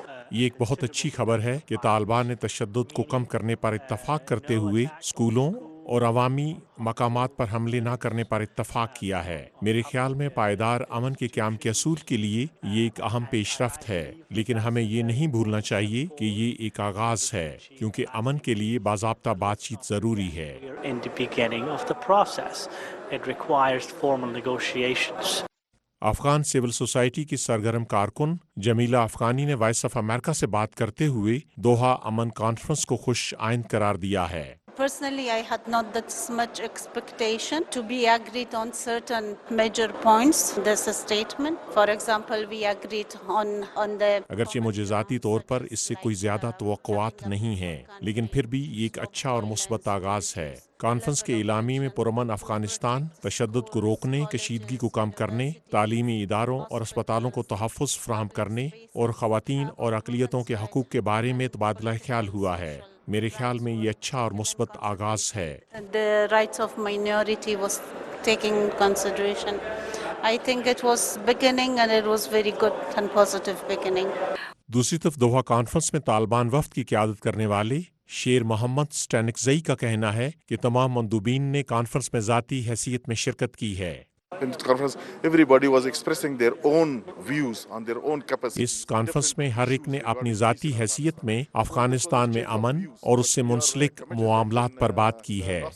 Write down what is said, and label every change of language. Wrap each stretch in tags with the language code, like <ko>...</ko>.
<ur>یہ ایک بہت اچھی خبر ہے کہ طالبان نے تشدد کو کم کرنے پر اتفاق کرتے ہوئے سکولوں اور عوامی مقامات پر حملے نہ کرنے پر اتفاق کیا ہے۔ میرے خیال میں پائیدار امن کے قیام کے اصول کے لیے یہ ایک اہم پیش رفت ہے، لیکن ہمیں یہ نہیں بھولنا چاہیے کہ یہ ایک آغاز ہے، کیونکہ امن کے لیے باضابطہ بات چیت ضروری ہے۔ افغان سول سوسائٹی کی سرگرم کارکن جمیلہ افغانی نے وائس آف امریکہ سے بات کرتے ہوئے دوحہ امن کانفرنس کو خوش آئند قرار دیا ہے۔</ur> <en>Personally, I had not that much expectation to be agreed on certain major points. This statement, for example, we agreed on the...</en> <ur>اگرچہ مجھے ذاتی طور پر اس سے کوئی زیادہ توقعات نہیں ہیں، لیکن پھر بھی یہ ایک اچھا اور مثبت آغاز ہے۔ کانفرنس کے اعلامیے میں پرامن افغانستان، تشدد کو روکنے، کشیدگی کو کم کرنے، تعلیمی اداروں اور اسپتالوں کو تحفظ فراہم کرنے اور خواتین اور اقلیتوں کے حقوق کے بارے میں تبادلہ خیال ہوا ہے۔ میرے خیال میں یہ اچھا اور مثبت آغاز ہے۔</ur> <en>The rights of minority was taking consideration. I think it was beginning and it was very good and positive beginning.</en> <ur>دوسری طرف دوحہ کانفرنس میں طالبان وفد کی قیادت کرنے والے شیر محمد سٹینکزئی کا کہنا ہے کہ تمام مندوبین نے کانفرنس میں ذاتی حیثیت میں شرکت کی ہے۔ اس کانفرنس میں ہر ایک نے اپنی ذاتی حیثیت میں افغانستان میں امن اور اس سے منسلک معاملات پر بات کی ہے،</ur>